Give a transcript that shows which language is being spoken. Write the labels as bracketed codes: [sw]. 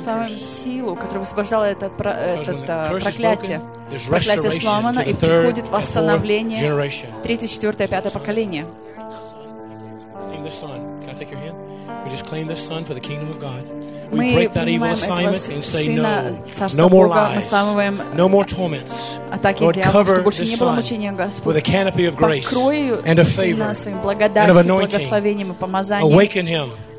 [ru] Сломаем силу, которая высвобождала этот проклятие. Проклятие сломано и приходит восстановление. Третье, четвертое, пятое поколение. [en] In the Son. Can I take your hand? We just claim this Son for the kingdom of God. [ru] Мы принимаем этого Сына Царства Бога, мы сломываем атаки дьявола, чтобы больше не было мучения, Господь. Покрою Сына Своим благодатью, благословением и помазанием.